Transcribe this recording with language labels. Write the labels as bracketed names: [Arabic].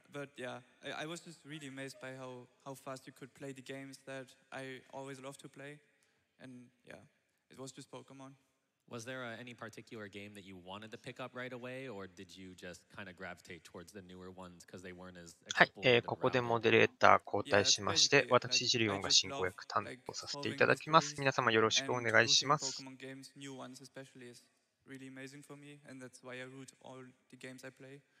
[English] But yeah, I was just really amazed by how fast you could play the games that I always love to play. And yeah, it was just Pokemon. Was there any particular game that you wanted to pick up right away, or did you just kind of gravitate towards the newer ones because they weren't as accessible? [Japanese] はい、ここでモデレーター交代しまして、私、ジリオンが進行役担当させていただきます。皆様よろしくお願いします。 [English] Pokemon games, new ones especially, is really amazing for me, and that's why I root all the games I play.